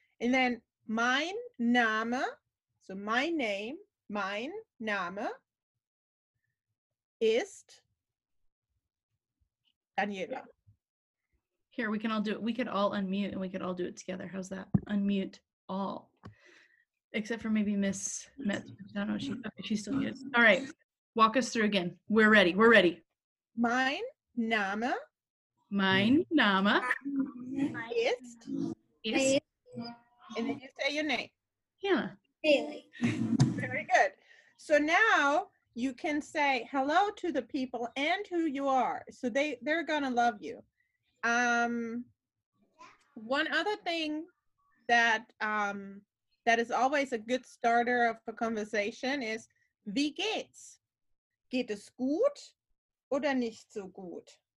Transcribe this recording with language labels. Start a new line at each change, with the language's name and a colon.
English: And then
German: mein Name,
English: so my name,
German: mein Name ist
English: Daniela. Here, we can all do it. We could all unmute and we could all do it together. How's that? Unmute all. Except for maybe Miss Metz. I don't know. She's still muted. All right. Walk us through again. We're ready. We're ready.
German: Mein Name. Mein Name. Ist.
English: And then you say your name. Hannah. Haley. Very good. So now you can say hello to the people and who you are. So they're going to love you. One other thing that that is always a good starter of a conversation is,
German: wie geht's? Geht es gut oder nicht so gut?